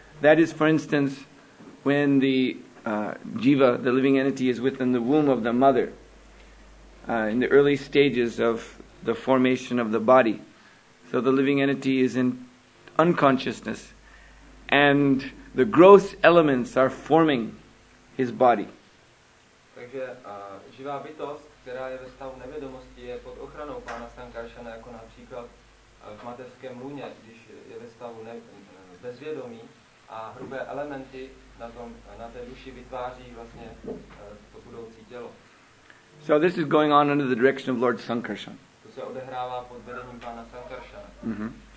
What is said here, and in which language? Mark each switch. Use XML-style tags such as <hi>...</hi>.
<en>That is, for instance, when the jiva, the living entity, is within the womb of the mother in the early stages of the formation of the body. So the living entity is in unconsciousness and the gross elements are forming his body.</en> <cs>Takže živá bytost, která je ve stavu nevědomosti, je pod ochranou pána Sankarshana, jako například v mateřském lůně, když je ve stavu bezvědomí, a hrubé elementy na té duši vytváří vlastně to budoucí tělo.</cs> <en>So this is going on under the direction of Lord Sankarshan.</en> <cs>To se odehrává pod vedením pána Sankarshana.</cs>